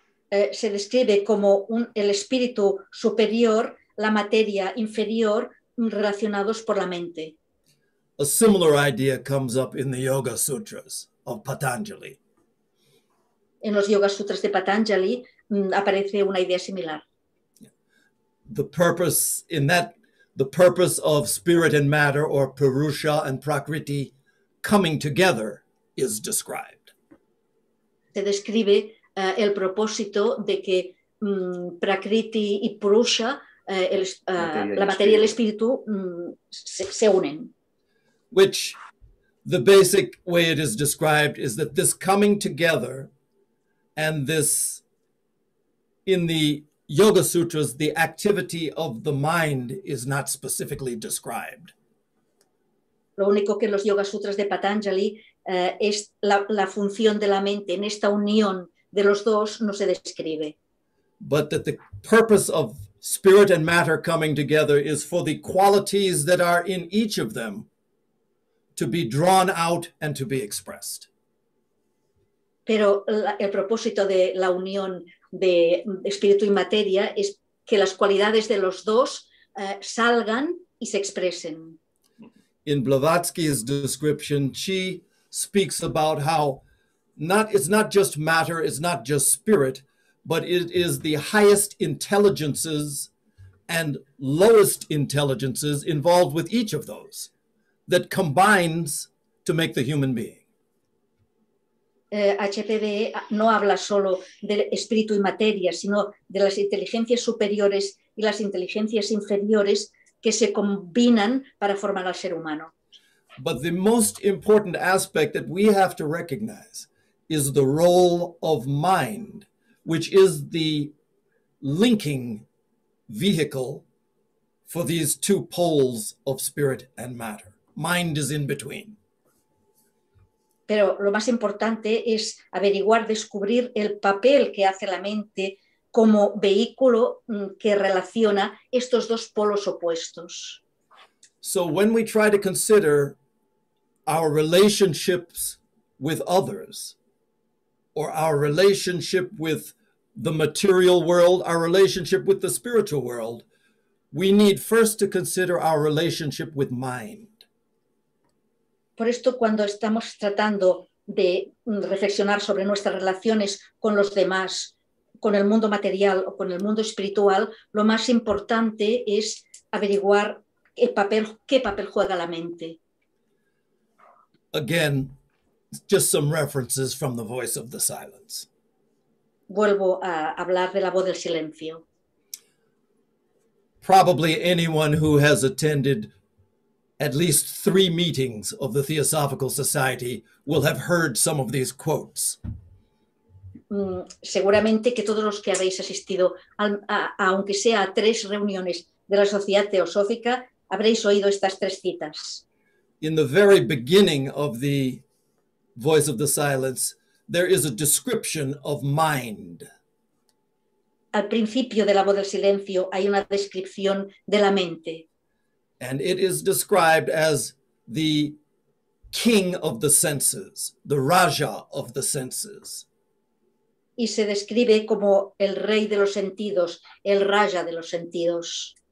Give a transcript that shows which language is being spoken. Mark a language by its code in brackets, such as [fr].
[es] Se describe como el espíritu superior, la materia inferior, relacionados por la mente. [en] A similar idea comes up in the Yoga Sutras of Patanjali. [es] En los Yoga Sutras de Patanjali aparece una idea similar. [en] The purpose of spirit and matter, or Purusha and Prakriti, coming together is described. [es] Se describe el propósito de que Prakriti y Purusha, la materia y el espíritu, se unen. [en] Which, the basic way it is described is that this coming together and this, in the Yoga Sutras, the activity of the mind is not specifically described. [es] Lo único que en los Yoga Sutras de Patanjali es la función de la mente en esta unión de los dos no se describe. [en] But that the purpose of spirit and matter coming together is for the qualities that are in each of them to be drawn out and to be expressed. [es] Pero el propósito de la unión de espíritu y materia es que las cualidades de los dos salgan y se expresen. [en] In Blavatsky's description, she speaks about how it's not just matter, it's not just spirit, but it is the highest intelligences and lowest intelligences involved with each of those that combines to make the human being. [es] HPD no habla solo de espíritu y materia, sino de las inteligencias superiores y las inteligencias inferiores que se combinan para formar al ser humano. [en] But the most important aspect that we have to recognize is the role of mind, which is the linking vehicle for these two poles of spirit and matter. Mind is in between. [es] Pero lo más importante es averiguar, descubrir el papel que hace la mente como vehículo que relaciona estos dos polos opuestos. [en] So when we try to consider our relationships with others, or our relationship with the material world, our relationship with the spiritual world, we need first to consider our relationship with mind. [es] Por esto, cuando estamos tratando de reflexionar sobre nuestras relaciones con los demás, con el mundo material o con el mundo espiritual, lo más importante es averiguar qué papel juega la mente. [en] Again, just some references from the Voice of the Silence. [es] Vuelvo a hablar de la voz del silencio. [en] Probably anyone who has attended at least 3 meetings of the Theosophical Society will have heard some of these quotes. [es] Seguramente que todos los que habéis asistido aunque sea a 3 reuniones de la Sociedad Teosófica habréis oído estas 3 citas. [en] In the very beginning of the Voice of the Silence, there is a description of mind. [es] Al principio de la voz del silencio hay una descripción de la mente. [en] And it is described as the king of the senses, the Raja of the senses. [es] Y se describe como el rey de los sentidos, el Raja de los sentidos.